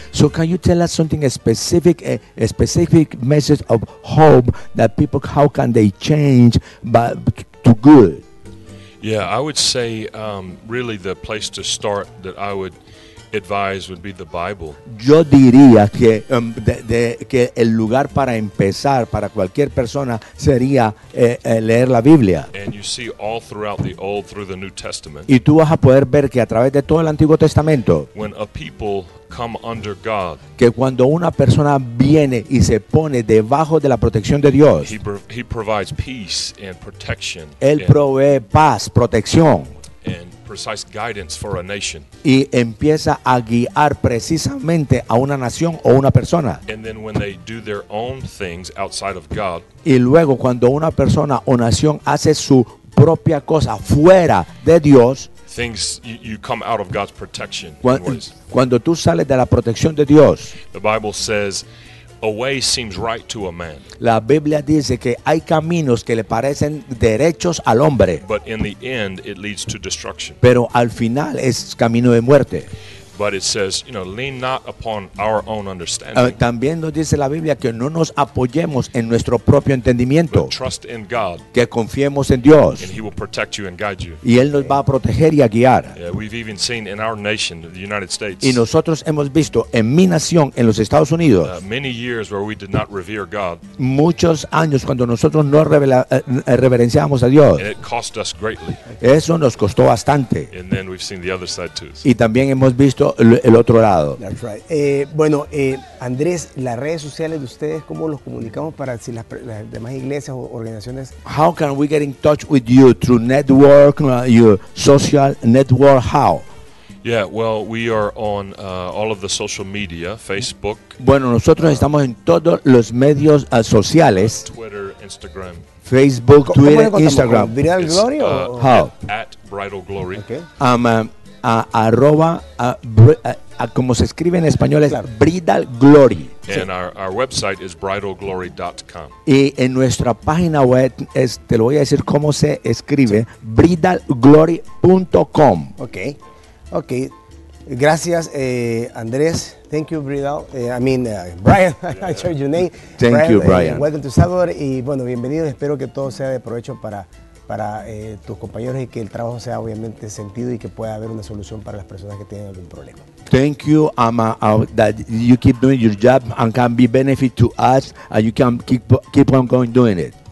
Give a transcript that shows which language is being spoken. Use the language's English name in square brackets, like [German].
[English] So can you tell us something specific, a specific message of hope that people, how can they change but to good? Yeah, I would say really the place to start that I would advise would be the Bible. [Spanish] Yo diría que que el lugar para empezar para cualquier persona sería leer la Biblia. [English] And you see all throughout the Old through the New Testament. [Spanish] Y tú vas a poder ver que a través de todo el Antiguo Testamento. [English] When a people come under God. [Spanish] Que cuando una persona viene y se pone debajo de la protección de Dios. [English] He provides peace and protection. [Spanish] Él provee paz, protección. [English] And precise guidance for a nation. [Spanish] Y empieza a guiar precisamente a una nación o una persona. [English] And then when they do their own things outside of God. [Spanish] Y luego cuando una persona o nación hace su propia cosa fuera de Dios. [English] Things you come out of God's protection. [Spanish] Cuando tú sales de la protección de Dios. [English] The Bible says a way seems right to a man. [Spanish] La Biblia dice que hay caminos que le parecen derechos al hombre. [English] But in the end, it leads to destruction. [Spanish] Pero al final es camino de muerte. [English] But it says, you know, lean not upon our own understanding. [Spanish] También nos dice la Biblia que no nos apoyemos en nuestro propio entendimiento. [English] But trust in God. [Spanish] Que confiemos en Dios. [English] And He will protect you and guide you. [Spanish] Y Él nos va a proteger y a guiar. [English] Yeah, we've even seen in our nation, the United States. [Spanish] Y nosotros hemos visto en mi nación, en los Estados Unidos. [English] Many years where we did not revere God. [Spanish] Muchos años cuando nosotros no reverenciábamos a Dios. [English] And it cost us greatly. [Spanish] Eso nos costó bastante. [English] And then we've seen the other side too. [Spanish] Y también hemos visto el otro lado. [English] That's right. [Spanish] Andrés, las redes sociales de ustedes, ¿cómo los comunicamos para si las demás iglesias o organizaciones? [English] How can we get in touch with you through network, your social network? How? Yeah, well, we are on all of the social media, Facebook. [Spanish] Bueno, nosotros estamos en todos los medios sociales. [English] Twitter, Instagram. [Spanish] Facebook, Twitter, Instagram. Viral Glory o [English] how? At Bridal Glory. Okay. [Spanish] Arroba, como se escribe en español es Bridal Glory. [English] And sí. our website is bridalglory.com. [Spanish] Y en nuestra página web, te lo voy a decir cómo se escribe, bridalglory.com. [English] Okay. Okay, gracias, Andrés. Thank you, Bridal. Brian, I heard your name. Thank Brian, you, Brian. [Spanish] Welcome to Salvador. [English] Y bueno, bienvenido. [Spanish] Espero que todo sea de provecho para tus compañeros y que el trabajo sea obviamente sentido y que pueda haber una solución para las personas que tienen algún problema. [English] Thank you, that you keep doing your job and can be benefit to us and you can keep on going doing it.